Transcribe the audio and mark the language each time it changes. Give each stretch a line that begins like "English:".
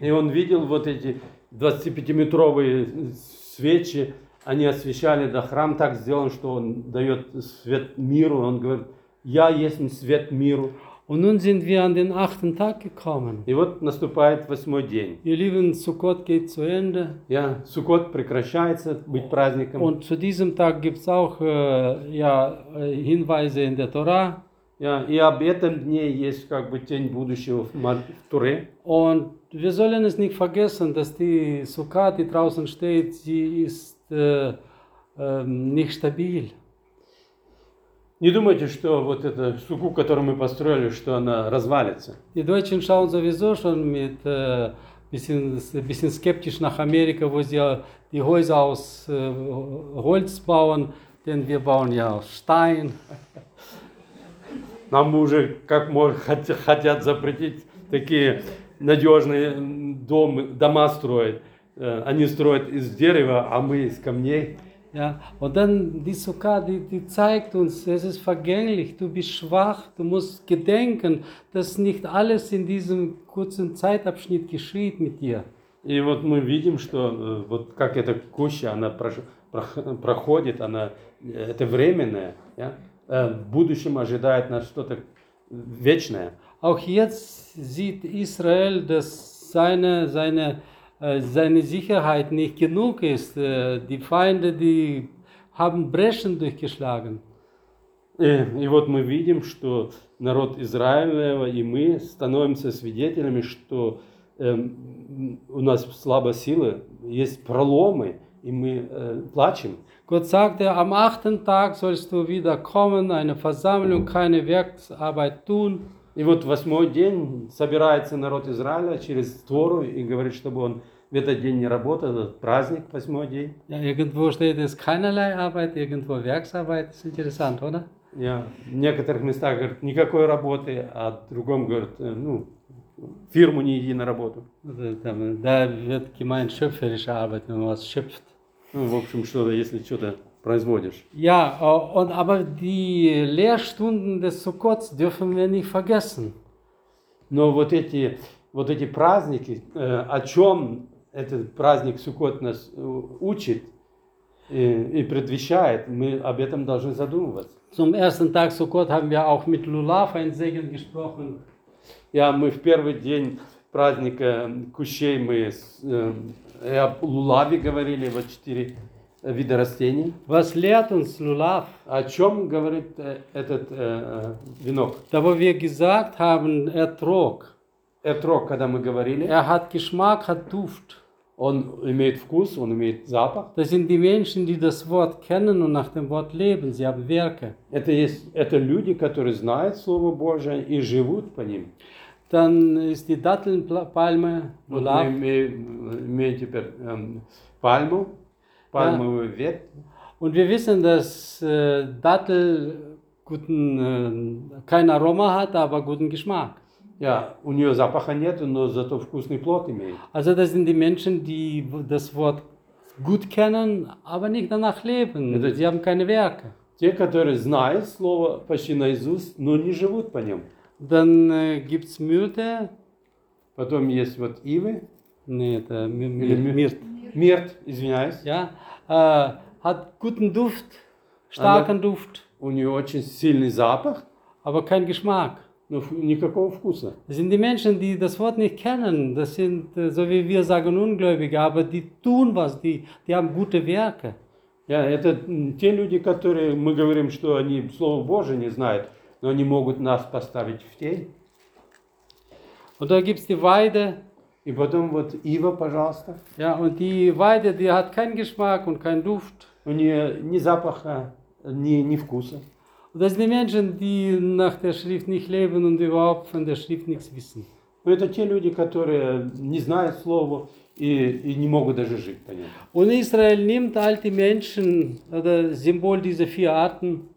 Russian: И он видел вот эти 25-метровые свечи, они освещали, да, храм так сделан, что он дает свет миру, он говорит: я есть свет миру.
German: Und nun sind wir an den 8. Tag gekommen.
Russian: И вот наступает 8-й день.
German: Ihr Lieben, Sukkot geht zu Ende.
Russian: Ja, Sukkot прекращается быть праздником.
German: Und zu diesem Tag gibt's auch Hinweise in der Tora.
Russian: Ja, и об этом дне есть как бы тень будущего в Туре.
German: Und wir sollen es nicht vergessen, dass die Sukka, die draußen steht, sie ist nicht stabil.
Russian: Не думайте, что вот эта сукку, которую мы построили, что она развалится.
German: Die Deutschen schauen sowieso schon mit bisschen skeptisch nach Amerika, wo sie die Häuser aus Holz bauen, denn wir bauen ja aus Stein.
Russian: Нам уже как хотят запретить такие надежные дома строить. Они строят из дерева, а мы из камней.
German: Ja, und dann die Sukka, die zeigt uns, es ist vergänglich, du bist schwach, du musst gedenken, dass nicht alles in diesem kurzen Zeitabschnitt geschieht mit dir.
Russian: И вот мы видим, что вот как эта куща, она проходит, она это временное, ja? В будущем ожидает нас что-то вечное.
German: Auch jetzt sieht Israel, dass seine Sicherheit nicht genug ist. Die Feinde, die haben Breschen durchgeschlagen.
Russian: И вот мы видим, что народ Израилева и мы становимся свидетелями, что у нас слабо силы, есть проломы, и мы плачем.
German: Gott sagte, am achten Tag sollst du wieder kommen, eine Versammlung, keine Werksarbeit tun.
Russian: И вот восьмой день собирается народ Израиля через Тору и говорит, чтобы он в этот день не работал, этот праздник, восьмой день.
German: Ja, irgendwo steht es keinerlei Arbeit, irgendwo Werksarbeit, ist interessant, oder?
Russian: Ja, в некоторых местах говорят, никакой работы, а в другом говорят, ну, фирму не иди на работу.
German: Да, wird gemeint, schöpferische Arbeit, wenn man was schöpft.
Russian: Ну, в общем, что-то, если что-то производишь.
German: Ja, und aber die Lehrstunden des Sukkot dürfen wir nicht vergessen.
Russian: Но вот эти праздники, о чем этот праздник Суккот нас учит и предвещает, мы об этом должны задумываться.
German: Zum ersten Tag Sukkot haben wir auch mit Lulav ein Segen gesprochen.
Russian: Ja, мы в первый день праздника кущей мы о Лулаве говорили, вот четыре вида растений.
German: Was lehrt uns Lulav?
Russian: О чем говорит этот венок?
German: Da wo wir gesagt haben, Etrog.
Russian: Etrog, когда мы говорили.
German: Er hat Geschmack, hat Duft.
Russian: Он имеет вкус, он имеет запах.
German: Das sind die Menschen, die das Wort kennen und nach dem Wort leben. Sie haben Werke.
Russian: Это люди, которые знают Слово Божие и живут по ним.
German: Dann ist die Dattelpalme, Lulav.
Russian: Вот мы имеем теперь пальму, пальмовую ветвь.
German: Und wir wissen, dass Dattel guten, kein Aroma hat, aber guten Geschmack.
Russian: Ja, у нее запаха нет, но зато вкусный плод имеет.
German: Also das sind die Menschen, die das Wort gut kennen, aber nicht danach leben.
Russian: Это
German: Sie haben keine Werke.
Russian: Те, которые знают слово почти наизусть, но не живут по нем.
German: Dann gibt's Myrte.
Russian: Потом есть вот ивы. Нет, это Мирт. Мирт, извиняюсь.
German: Ja, hat guten Duft, starken Duft.
Russian: У нее очень сильный запах.
German: Aber kein Geschmack.
Russian: Но никакого вкуса.
German: Das sind die Menschen, die das Wort nicht kennen. Das sind, so wie wir sagen, Ungläubige, aber die tun was, die haben gute Werke.
Russian: Ja, это те люди, которые мы говорим, что они Слово Божие не знают, но они могут нас поставить в тень.
German: Und da gibt's die Weide.
Russian: И потом вот ива, пожалуйста.
German: Ja, und die Weide, die hat keinen Geschmack und keinen Duft.
Russian: У нее ни запаха, ни вкуса.
German: Das sind die Menschen, die nach der Schrift nicht leben und überhaupt von der Schrift nichts wissen.
Russian: Но это те люди, которые не знают слова и не могут даже жить по нему.
German: Und Israel nimmt alte Menschen, oder Symbol dieser vier Arten.